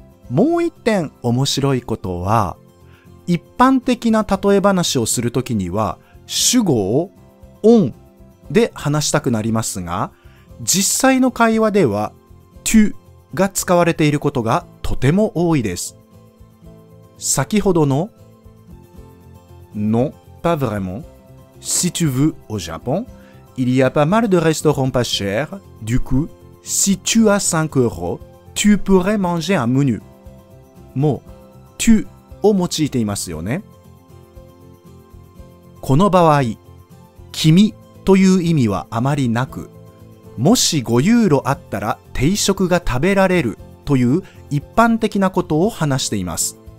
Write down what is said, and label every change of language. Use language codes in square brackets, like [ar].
[ja] もう一点面白いことは、一般的な例え話をするときには主語を on で話したくなりますが、実際の会話では tu が使われていることがとても多いです。先ほどの [fr] Non, pas vraiment. Si tu veux, au Japon, il y a pas mal de restaurants pas chers. Du coup, si tu as 5 euros, tu pourrais manger un menu. [ja] もう tu を用いていますよね。この場合、君という意味はあまりなく、もし5ユーロあったら定食が食べられるという一般的なことを話しています。